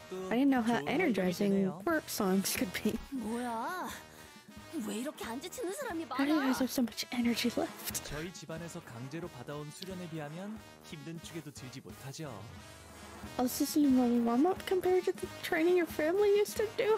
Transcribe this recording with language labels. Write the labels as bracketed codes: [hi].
[en] I didn't know how energizing work songs could be. How do you guys have so much energy left? [ko] 저희 집안에서 강제로 받아온 수련에 비하면 힘든 축에도 들지 못하죠. [en] Oh, is this your only warm-up compared to the training your family used to do?